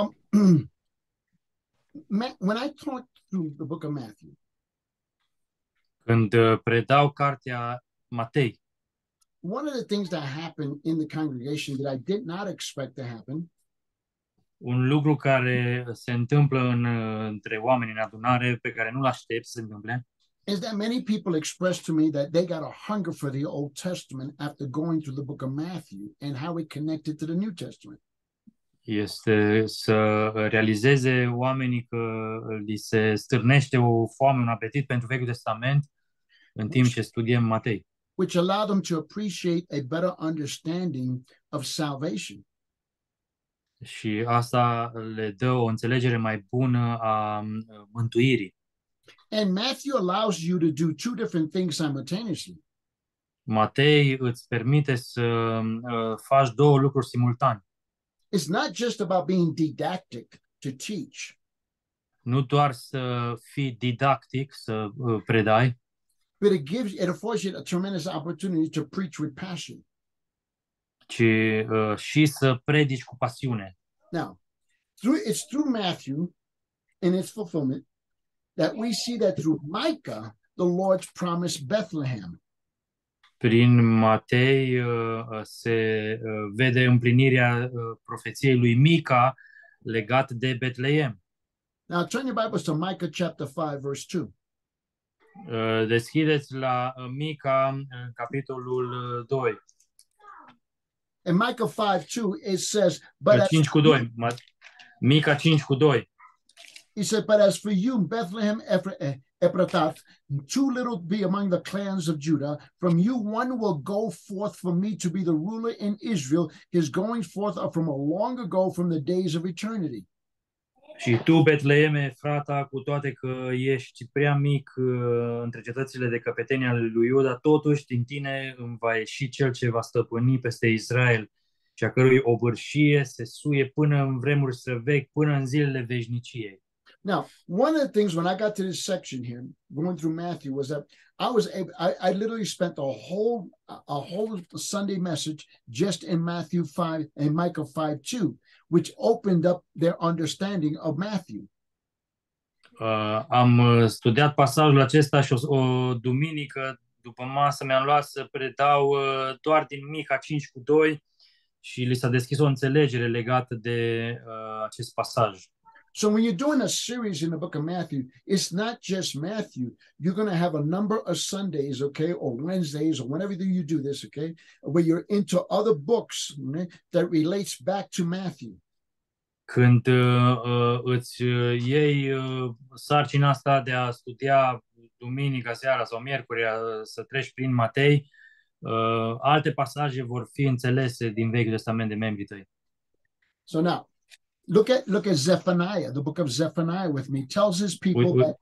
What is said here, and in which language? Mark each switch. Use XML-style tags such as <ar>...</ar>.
<en>When I talk through the book of Matthew,</en> <ro>când predau cartea Matei,</ro> <en>one of the things that happened in the congregation that I did not expect to happen,</en> <ro>un lucru care se întâmplă în, între oameni în adunare pe care nu l-aștept să se întâmple,</ro> <en>is that many people expressed to me that they got a hunger for the Old Testament after going through the book of Matthew and how it connected to the New Testament.</en> <ro>Este să realizeze oamenii că li se stârnește o foame, un apetit pentru Vechiul Testament în timp ce studiem Matei.</ro> <en>Which allowed them to appreciate a better understanding of salvation.</en> <ro>Și asta le dă o înțelegere mai bună a mântuirii.</ro> <en>And Matthew allows you to do two different things simultaneously.</en> <ro>Matei îți permite să faci două lucruri simultan.</ro> <en>It's not just about being didactic to teach.</en> <ro>Nu doar să fii didactic, să predai.</ro> <en>But it affords you a tremendous opportunity to preach with passion.</en> <ro>Ci, și să predici cu pasiune.</ro> <en>Now, it's through Matthew and its fulfillment that we see that through Micah, the Lord's promise Bethlehem.</en> <ro>Prin Matei se vede împlinirea profeției lui Mica legat de Betleem.</ro> <en>Now turn your Bibles to Micah chapter 5, verse 2.</en> <ro>Deschideți la Mica, capitolul 2.</ro> <en>In Micah 5, 2, it says, but</en> <ro>5 cu 2. Mica 5 cu 2.</ro> <en>He said, but as for you, Bethlehem Ephrathah, too little be among the clans of Judah, from you one will go forth for me to be the ruler in Israel. His going forth are from a long ago, from the days of eternity.</en> <ro>Și tu, Betleem, frata, cu toate că ești prea mic între cetățile de căpetenie ale lui Iuda, totuși din tine îmi va ieși cel ce va stăpâni peste Israel și a cărui obârșie se suie până în vremuri străvechi, până în zilele veșniciei.</ro> <en>Now, one of the things when I got to this section here, going through Matthew, was that I literally spent a whole Sunday message just in Matthew 5 and Micah 5 too, which opened up their understanding of Matthew.</en> <ro>Am studiat pasajul acesta și o duminică după masă mi-am luat să predau doar din Mica 5 cu 2 și li s-a deschis o înțelegere legată de acest pasaj.</ro> <en>So when you're doing a series in the book of Matthew, it's not just Matthew. You're going to have a number of Sundays, okay, or Wednesdays, or whenever you do this, okay, where you're into other books, okay, that relates back to Matthew.</en> <ro>Când îți iei sarcina asta de a studia duminica seara sau miercurea să treci prin Matei, alte pasaje vor fi înțelese din Vechiul Testament de membrii tăi.</ro> <en>So now, Look at Zephaniah, the book of Zephaniah with me, tells his people</en>